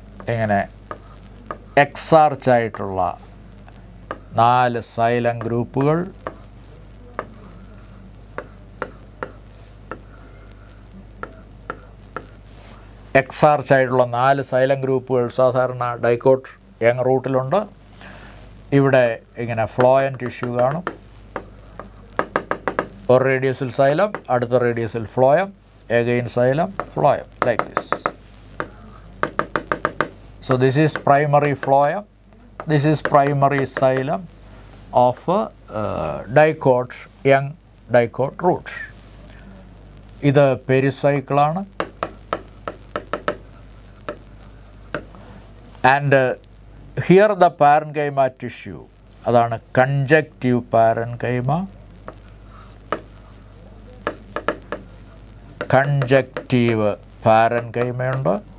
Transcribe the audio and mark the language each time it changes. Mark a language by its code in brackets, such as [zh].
[ml] ഇങ്ങനെ എക്സാർച്ച് ആയിട്ടുള്ള നാല് സൈലം ഗ്രൂപ്പുകൾ, എക്സാർച്ച് ആയിട്ടുള്ള നാല് സൈലം ഗ്രൂപ്പുകൾ സാധാരണ ഡൈക്കോട്ട് യങ് റൂട്ടിലുണ്ട്. ഇവിടെ ഇങ്ങനെ ഫ്ലോയൻ്റ് ടിഷ്യൂ കാണും. ഒരു റേഡിയസിൽ സൈലം, അടുത്ത റേഡിയസിൽ phloem, again xylem, phloem, [en] Like this. So this is primary phloem, this is primary xylem of dicot young dicot root. [ml] ഇത് pericycle ആണ്. [en] And here the parenchyma tissue, അതാണ് conjunctive parenchyma, conjunctive parenchyma ഉണ്ട്.